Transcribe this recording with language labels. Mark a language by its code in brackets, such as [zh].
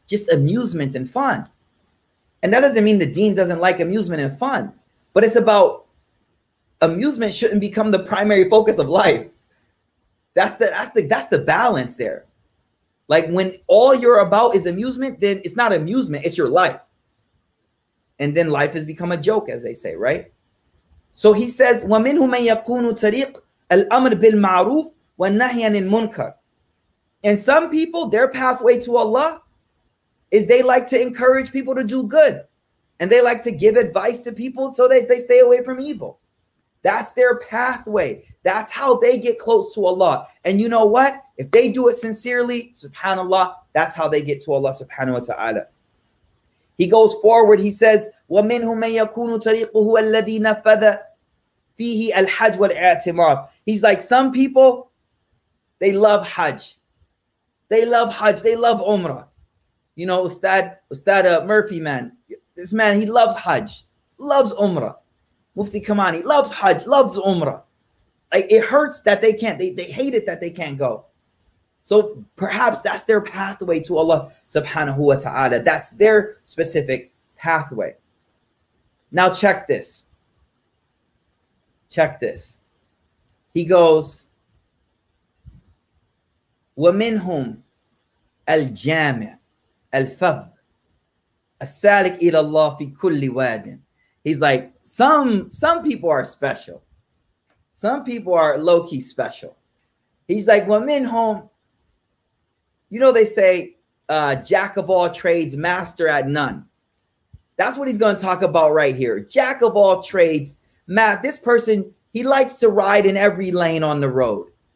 [en] Just amusement and fun. And that doesn't mean the deen doesn't like amusement and fun, but it's about amusement shouldn't become the primary focus of life. That's the balance there. Like when all you're about is amusement, then it's not amusement, it's your life. And then life has become a joke, as they say, right? So he says, [ar] وَمِنْهُ مَنْ يَكُونُ تَرِيقُ الْأَمْرِ بِالْمَعْرُوفِ وَالنَّهْيَنِ الْمُنْكَرِ. [en] And some people, their pathway to Allah is they like to encourage people to do good. And they like to give advice to people so that they stay away from evil. That's their pathway. That's how they get close to Allah. And you know what? If they do it sincerely, subhanAllah, that's how they get to Allah subhanahu wa ta'ala. He goes forward. He says, [ar] وَمِنْهُ مَنْ يَكُونُ تَرِيقُهُ الَّذِي نَفَذَ فِيهِ الْحَجْ وَالْإِعْتِمَارِ. [en] He's like, some people, they love Hajj. They love Hajj. They love Umrah. Ustad Murphy, man, this man, he loves Hajj, loves Umrah. Mufti Kamani loves Hajj, loves Umrah. Like, it hurts that they can't, they hate it that they can't go. So perhaps that's their pathway to Allah subhanahu wa ta'ala. That's their specific pathway. Now check this. Check this. He goes, [ar] وَمِنْهُمْ الْجَامِعِ الْفَضْلِ السَّالِكِ إِلَى اللَّهِ فِي كُلِّ وَادٍ. [en] He's like, some people are special. Some people are low-key special. He's like, [ar] وَمِنْهُمْ, [en] they say, jack of all trades, master at none. That's what he's going to talk about right here. Jack of all trades, Matt, this person, he likes to ride in every lane on the road.